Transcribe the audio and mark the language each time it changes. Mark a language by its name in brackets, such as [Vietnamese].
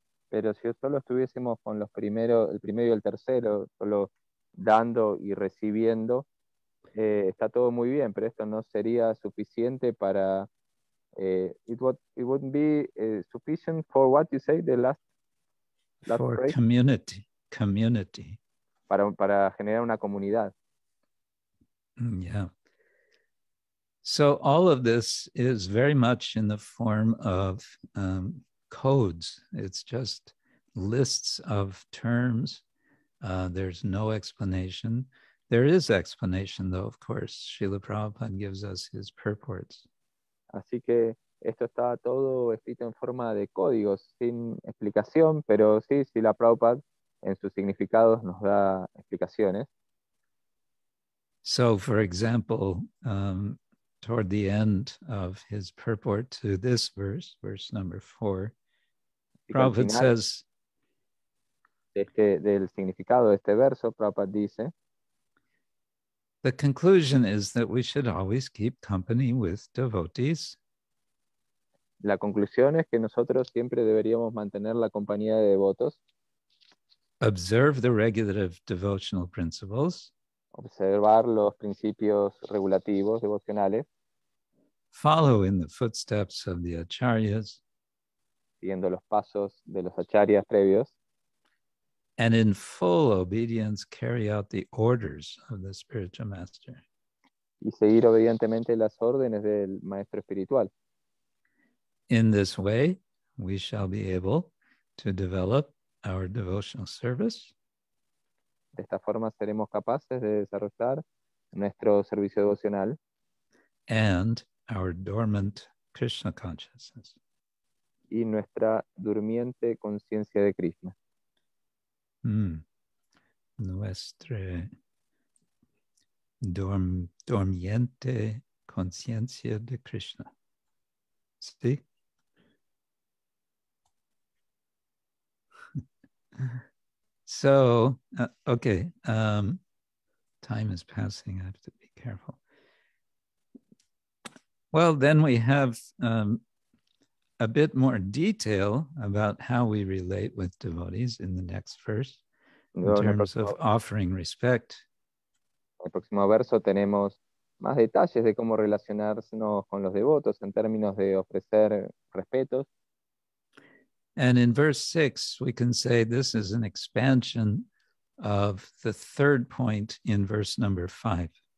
[Spanish] Pero si solo estuviésemos con los primeros, el primero y el tercero, solo dando y recibiendo, está todo muy bien, pero esto no sería suficiente para... [English] It wouldn't be sufficient for what you say, the last for phrase? Community. [Spanish] para generar una comunidad. [English] Yeah. So all of this is very much in the form of codes. It's just lists of terms. There's no explanation. There is explanation, though, of course. Srila Prabhupada gives us his purports. [Spanish] Así que esto está todo escrito en forma de códigos, sin explicación, pero sí, Srila Prabhupada en sus significados nos da explicaciones. [English] So, for example, toward the end of his purport to this verse, verse number 4, Prabhupada says, [Spanish] del significado de este verso, Prabhupada dice, [English] the conclusion is that we should always keep company with devotees. [Spanish] La conclusión es que nosotros siempre deberíamos mantener la compañía de devotos. [English] Observe the regulative devotional principles. [Spanish] Observar los principios regulativos devocionales. [English] Follow in the footsteps of the acharyas. [Spanish] Siguiendo los pasos de los acharyas previos. [English] And in full obedience carry out the orders of the spiritual master. [Spanish] Y seguir obedientemente las órdenes del maestro espiritual. [English] In this way, we shall be able to develop our devotional service. [Spanish] De esta forma seremos capaces de desarrollar nuestro servicio devocional. [English] And our dormant Krishna consciousness. [Spanish] Y nuestra durmiente conciencia de Krishna. Nuestra dormiente conciencia de Krishna. ¿Sí? [English] So, time is passing. I have to be careful. Well, then we have a bit more detail about how we relate with devotees in the next verse, in terms of offering respect. [Spanish] En el próximo verso tenemos más detalles de cómo relacionarnos con los devotos en términos de ofrecer respetos. [English] And in verse 6, we can say this is an expansion of the third point in verse number 5.